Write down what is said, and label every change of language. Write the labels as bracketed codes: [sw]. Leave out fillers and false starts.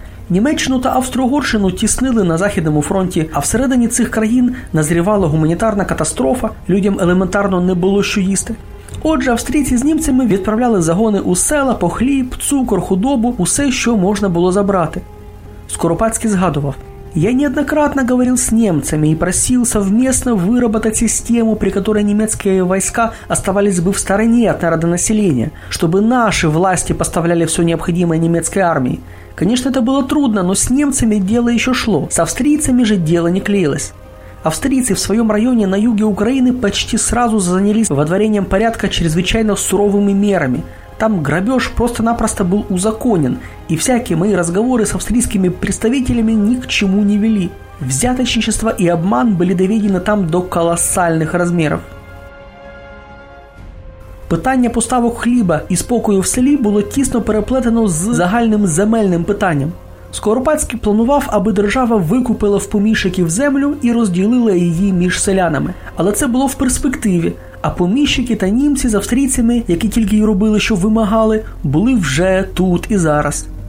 [uk] Німеччину та Австро-Угорщину тіснили на Західному фронті, а всередині цих країн назрівала гуманітарна катастрофа, людям елементарно не було що їсти. Отже, австрійці з німцями відправляли загони у села по хліб, цукор, худобу, усе, що можна було забрати. Скоропадський згадував: [ru] «Я неоднократно говорил с немцами и просил совместно выработать систему, при которой немецкие войска оставались бы в стороне от народонаселения, чтобы наши власти поставляли все необходимое немецкой армии. Конечно, это было трудно, но с немцами дело еще шло, с австрийцами же дело не клеилось». Австрийцы в своем районе на юге Украины почти сразу занялись водворением порядка чрезвычайно суровыми мерами. Там грабеж просто-напросто был узаконен, и всякие мои разговоры с австрийскими представителями ни к чему не вели. Взяточничество и обман были доведены там до колоссальных размеров. [uk] Питання поставок хліба і спокою в селі було тісно переплетено з загальним земельним питанням. Скоропадський планував, аби держава викупила в поміщиків землю і розділила її між селянами. Але це було в перспективі. А поміщики та німці з австрійцями, які тільки й робили, що вимагали, були вже тут і зараз.